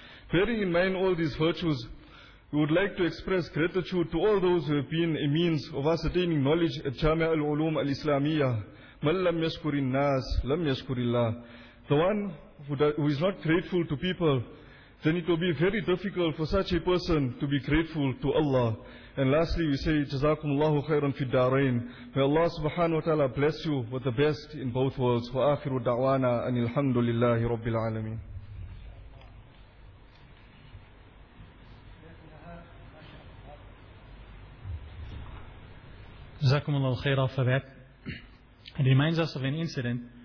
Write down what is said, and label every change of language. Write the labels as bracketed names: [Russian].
[English] Bearing in mind all these virtues, we would like to express gratitude to all those who have been a means of us attaining knowledge at Jami' al-Ulum al-Islamiyyah. [Arabic] مَنْ لَمْ يَشْكُرِ النَّاسِ لَمْ يَشْكُرِ اللَّهِ. [English] The one who is not grateful to people, then it will be very difficult for such a person to be grateful to Allah. And lastly, we say, [Arabic] جَزَاكُمُ اللَّهُ خَيْرًا فِي الدَّارَيْنِ. [English] May Allah subhanahu wa ta'ala bless you with the best in both worlds. [Arabic] وَآخِرُ دَعْوَانَا أَنِ الْحَمْدُ لِلَّهِ رَبِّ الْعَالَمِينَ. [English] Jazakumullahu khairah for that. It reminds us of an incident.